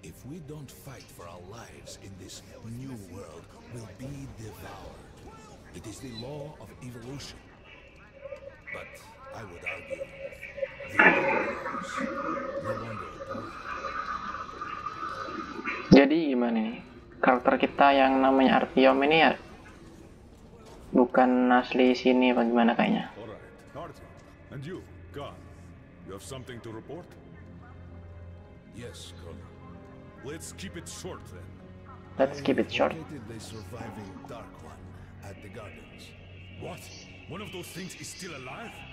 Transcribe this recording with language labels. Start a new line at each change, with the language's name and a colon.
English: We don't fight for our lives in this new world, we'll be devoured. It is the law of evolution. But I would argue, the universe, no wonder.
Indonesian: Jadi gimana nih? Karakter kita yang namanya Artyom ini ya, bukan asli sini apa gimana kayaknya?
English: Alright, Artyom, and you, Khan, you have something to report? Yes, Colonel. Let's keep it short then. Let's keep it short. I located the surviving Dark One at the gardens. What? One of those things is still alive?